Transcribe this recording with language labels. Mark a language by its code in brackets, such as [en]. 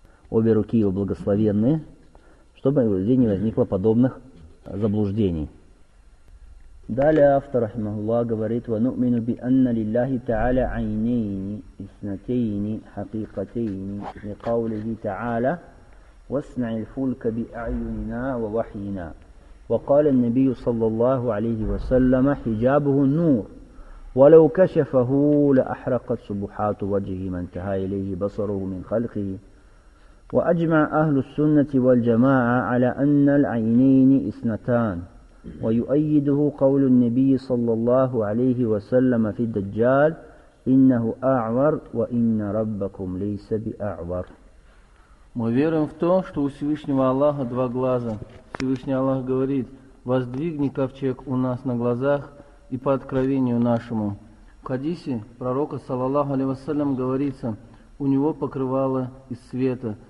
[ru] Обе руки его благословенные, чтобы у людей не возникло подобных заблуждений. Далее автор Рахмахуллах говорит, [ar] ва нумину би анна лиллахи та'аля айнейни, иснатейни, хакикатейни, ли каулихи та'аля, васна'и фулька би айюнина ва вахьина. وقال النبي صلى الله عليه وسلم حجابه النور ولو كشفه لأحرقت سبحات وجهه ما انتهى إليه بصره من خلقه وأجمع أهل السنة والجماعة على أن العينين اثنتان ويؤيده قول النبي صلى الله عليه وسلم في الدجال إنه أعور وإن ربكم ليس بأعور [ru] Мы верим в то, что у Всевышнего Аллаха два глаза. Всевышний Аллах говорит, воздвигни ковчег у нас на глазах и по откровению нашему. В хадисе пророка, саллаллаху алейхи вассалям, говорится, у него покрывало из света.